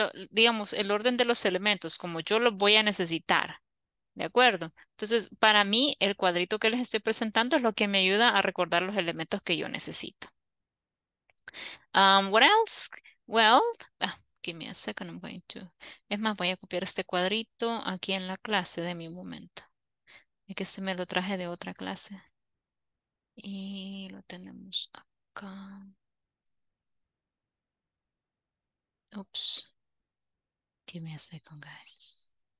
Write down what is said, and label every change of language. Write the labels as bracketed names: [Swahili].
[Spanish] Digamos, el orden de los elementos, como yo los voy a necesitar. ¿De acuerdo? Entonces, para mí, el cuadrito que les estoy presentando es lo que me ayuda a recordar los elementos que yo necesito. [English] What else? Well, give me a second, I'm going to... [Spanish] Es más, voy a copiar este cuadrito aquí en la clase de mi momento. Es que este me lo traje de otra clase. Y lo tenemos acá. [English] Oops. Give me a second, guys.